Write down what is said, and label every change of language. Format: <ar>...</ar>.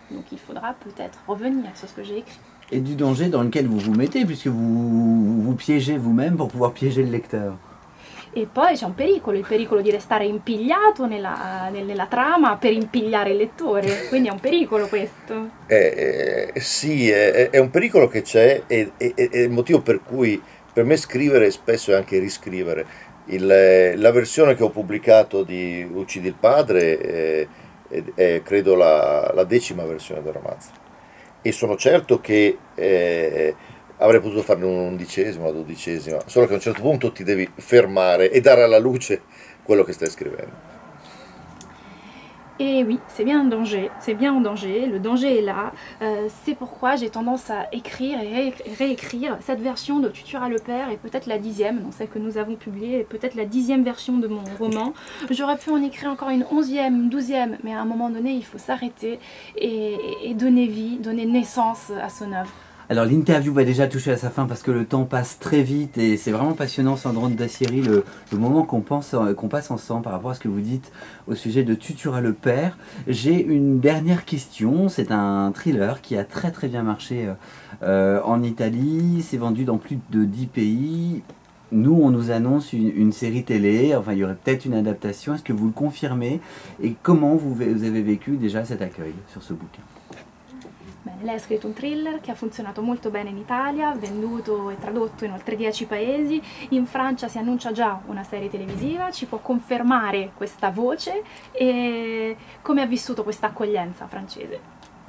<fr>Donc il faudra peut-être revenir sur ce que j'ai écrit. Et du danger dans lequel vous vous mettez, puisque vous piégez vous-même pour pouvoir piéger le lecteur.</fr> <it>E poi c'è un pericolo, il pericolo di restare impigliato nella trama per impigliare il lettore, quindi è un pericolo questo. Sì, è un pericolo che c'è e il motivo per cui per me scrivere spesso è anche riscrivere. La versione che ho pubblicato di Uccidi il padre è credo la decima versione del romanzo. E sono certo che avrei potuto farne una dodicesima, solo che a un certo punto ti devi fermare e dare alla luce quello che stai scrivendo.</it> <fr>Et oui, c'est bien un danger, c'est bien un danger, le danger est là. C'est pourquoi j'ai tendance à écrire et réécrire cette version de Tu tueras le père et peut-être la dixième, donc celle que nous avons publiée, et peut-être la dixième version de mon roman. J'aurais pu en écrire encore une onzième, douzième, mais à un moment donné, il faut s'arrêter et donner vie, donner naissance à son œuvre. Alors l'interview va déjà toucher à sa fin parce que le temps passe très vite et c'est vraiment passionnant, Sandrone Dassieri, le moment qu'on passe ensemble par rapport à ce que vous dites au sujet de Tu tueras le père. J'ai une dernière question, c'est un thriller qui a très très bien marché en Italie, c'est vendu dans plus de 10 pays. Nous on nous annonce une série télé, enfin il y aurait peut-être une adaptation, est-ce que vous le confirmez et comment vous avez vécu déjà cet accueil sur ce bouquin?</fr> <it>Lei ha scritto un thriller che ha funzionato molto bene in Italia, venduto e tradotto in oltre 10 paesi. In Francia si annuncia già una serie televisiva, ci può confermare questa voce e come ha vissuto questa accoglienza francese?</it>